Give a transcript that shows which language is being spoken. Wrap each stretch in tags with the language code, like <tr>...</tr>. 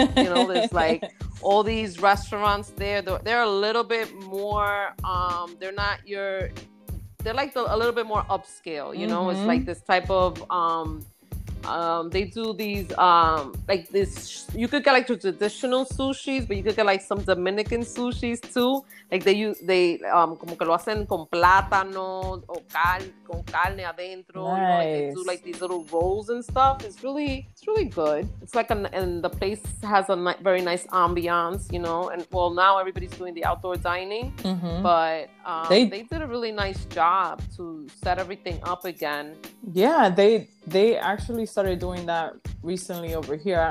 <en>You know, there's like all these restaurants there. They're a little bit more, a little bit more upscale. You know, mm-hmm. It's like this type of, they do these, you could get like traditional sushis, but you could get like some Dominican sushis too. Like they</en> <es>como que lo hacen con plátano o con carne adentro.</es> <en>Nice. You know, like they do like these little rolls and stuff. It's really good. It's like, and the place has a very nice ambiance, you know, and well, now everybody's doing the outdoor dining, mm-hmm. but they did a really nice job to set everything up again. Yeah, they actually started doing that recently over here.</en>